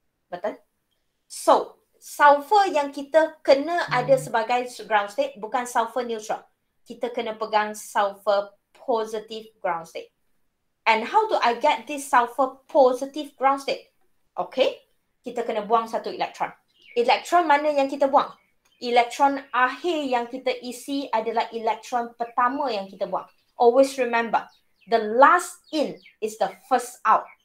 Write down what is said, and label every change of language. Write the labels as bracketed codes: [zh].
[ms] Betul? So, sulfur yang kita kena ada sebagai ground state bukan sulfur neutral. Kita kena pegang sulfur positive ground state. [en] And how do I get this sulfur positive ground state? [ms] Okay. Kita kena buang satu elektron. Elektron mana yang kita buang? Elektron akhir yang kita isi adalah elektron pertama yang kita buang. [en] Always remember, the last in is the first out.